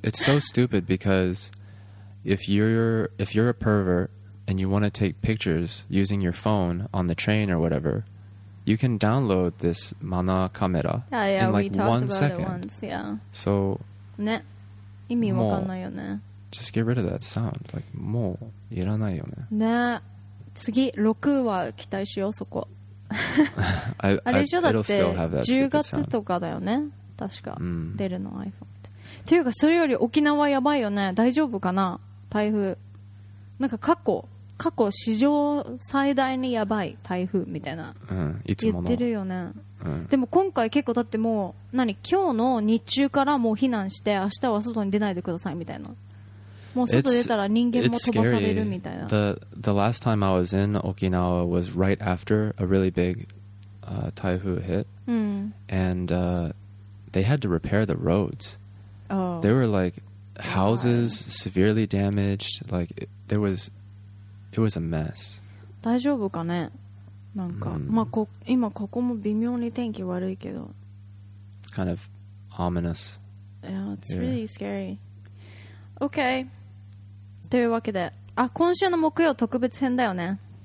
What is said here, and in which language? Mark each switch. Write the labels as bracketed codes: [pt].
[en] It's so stupid because if you're a pervert and you want to take pictures using your phone on the train or whatever, you can download this mana camera in like 1 second. Yeah. So [ja] ね。意味わかんないよね。 [en] Just get rid of that sound. Like, [ja] もういらないよね。ね。次、6は期待しよう、そこ。あれ以上だって、10月とかだよね。確か、うん、出るの iPhone って。というか、それより沖縄やばいよね。大丈夫かな、台風。なんか過去史上最大にやばい台風みたいな、うん、いつもの言ってるよね、うん、でも今回結構だってもう何今日の日中からもう避難して明日は外に出ないでくださいみたいなもう外出たら人間も飛ばされるみたいな [en] The last time I was in Okinawa was right after a really big、台風 hit、うん、 and、they had to repair the roads、 oh. there were like houses、yeah. severely damaged like there wasIt was a mess. [ja] 大丈夫かね。なんか、mm. まあ、今ここも微妙に天気悪いけど。 [en] Kind of ominous. Yeah, it's、here. really scary. Okay. [ja] というわけで、あ、今週の木曜特別編だよね。